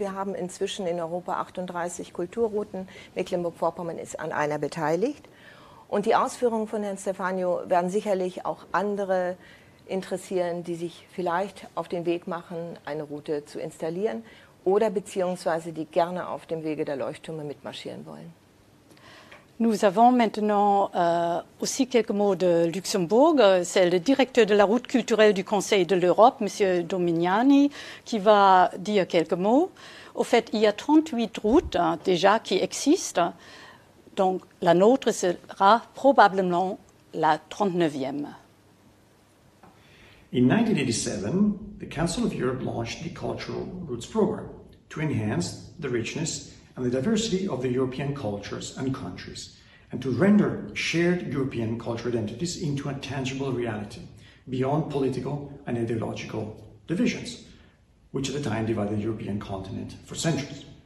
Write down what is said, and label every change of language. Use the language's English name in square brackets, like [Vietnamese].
[German] Wir haben inzwischen in Europa 38 Kulturrouten. Mecklenburg-Vorpommern ist an einer beteiligt. Und die Ausführungen von Herrn Stefano werden sicherlich auch andere interessieren, die sich vielleicht auf den Weg machen, eine Route zu installieren oder beziehungsweise die gerne auf dem Wege der Leuchttürme mitmarschieren wollen. [French] Nous avons maintenant aussi quelques mots de Luxembourg. C'est le directeur de la route culturelle du Conseil de l'Europe, Monsieur Domignoni, qui va dire quelques mots. Au fait, il y a 38 routes déjà qui existent. Donc la nôtre sera probablement la 39e. [English] In 1987, the Council of Europe launched the Cultural Routes Program to enhance the richness and the diversity of the European cultures and countries, and to render shared European cultural identities into a tangible reality beyond political and ideological divisions, which at the time divided the European continent for centuries.